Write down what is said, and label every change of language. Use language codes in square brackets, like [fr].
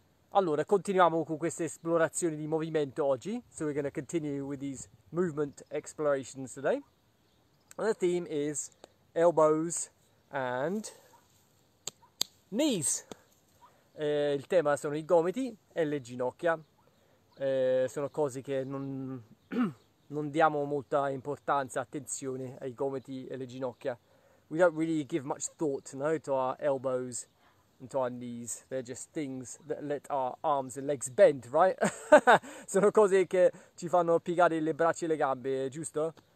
[it] Allora, continuiamo con queste esplorazioni di movimento oggi. [en] So we're going to continue with these movement explorations today. And the theme is elbows and knees. [it] Il tema sono i gomiti e le ginocchia. Sono cose che non diamo molta importanza, attenzione ai gomiti e le ginocchia. [en] We don't really give much thought, no, to our elbows and to our knees. They're just things that let our arms and legs bend, right? [it] Sono cose che ci fanno piegare le braccia e le gambe, giusto?